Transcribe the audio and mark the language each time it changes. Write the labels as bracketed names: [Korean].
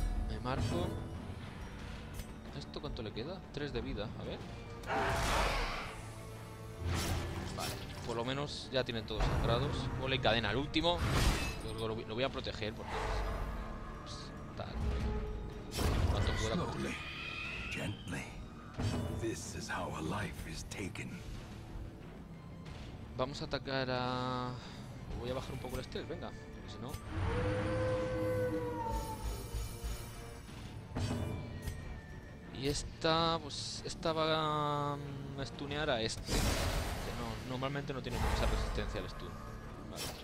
[Spanish] Me marco. ¿Esto cuánto le queda? 3 de vida, a ver. Por lo menos ya tienen todos sangrados. Ole, cadena al último. Lo voy a proteger porque pues, tal. Cuanto pueda. [English] Slowly, gently. This is how a life is taken. [Spanish] Vamos a atacar a... Voy a bajar un poco el estrés, venga. Porque si no... Y esta, pues, esta va a estunear a este. Normalmente no tiene mucha resistencia al stun. Vale.